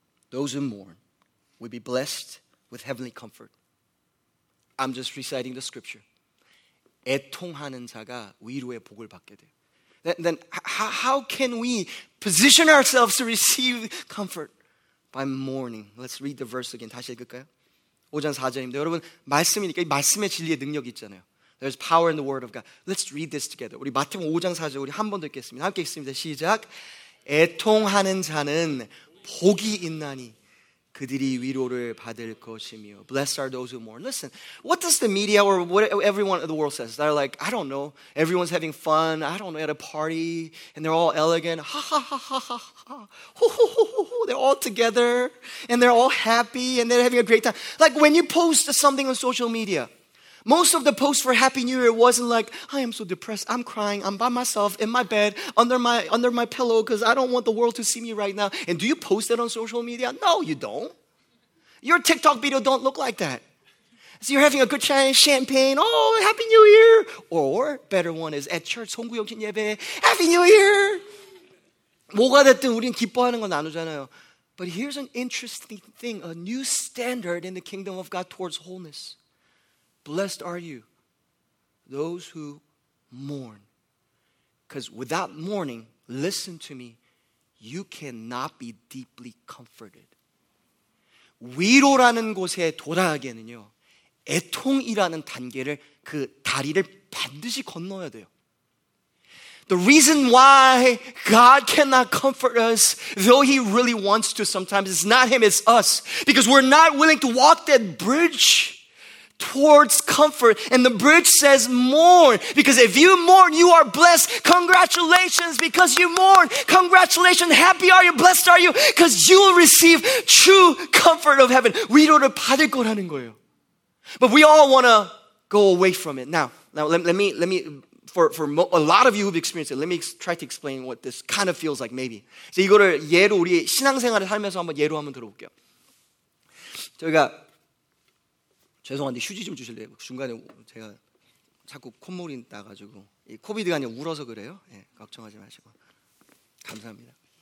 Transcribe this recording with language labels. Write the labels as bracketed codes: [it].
[en] Those who mourn will be blessed with heavenly comfort. I'm just reciting the scripture. [ko] 애통하는 자가 위로의 복을 받게 돼요. [en] Then how can we position ourselves to receive comfort? By mourning. Let's read the verse again. [ko] 다시 읽을까요? 5장 4절입니다. 여러분, 말씀이니까 이 말씀의 진리의 능력이 있잖아요. [en] There's power in the word of God. Let's read this together. [ko] 우리 마태복음 5장 4절 우리 한 번 더 읽겠습니다. 함께 읽습니다. 시작! 애통하는 자는 복이 있나니 그들이 위로를 받을 것이며. [en] Blessed are those who mourn. Listen, what does the media or what everyone in the world says? They're like, I don't know. Everyone's having fun. I don't know, at a party. And they're all elegant. Ha, ha, ha, ha, ha, ha. Ho, ho, ho, ho, ho. They're all together. And they're all happy. And they're having a great time. Like when you post something on social media, most of the posts for Happy New Year wasn't like, I am so depressed, I'm crying, I'm by myself in my bed, under my pillow because I don't want the world to see me right now. And do you post that on social media? No, you don't. Your TikTok video don't look like that. So you're having a good champagne, oh, Happy New Year. Or, better one is at church, 송구영신 예배, Happy New Year. [ko] 뭐가 됐든 우린 기뻐하는 거 나누잖아요. [en] But here's an interesting thing, a new standard in the kingdom of God towards wholeness. Blessed are you, those who mourn. Because without mourning, listen to me, you cannot be deeply comforted. [ko] 위로라는 곳에 도달하기에는요, 애통이라는 단계를 그 다리를 반드시 건너야 돼요. [en] The reason why God cannot comfort us, though he really wants to sometimes, it's not him, it's us. Because we're not willing to walk that bridge towards comfort. And the bridge says mourn. Because if you mourn, you are blessed. Congratulations, because you mourn. Congratulations, happy are you, blessed are you. Because you will receive true comfort of heaven. [ko] 위로를 받을 거라는 거예요. [en] But we all want to go away from it. Now, let me... For a lot of you who've experienced it, let me try to explain what this kind of feels like, maybe. [ko] 이거를 예로 우리 신앙생활을 살면서 한번 예로 한번 들어볼게요. 저희가 죄송한데 휴지 좀 주실래요? 중간에 제가 자꾸 콧물이 나가지고 이 코비드가 아니라 울어서 그래요. 예, 걱정하지 마시고 감사합니다.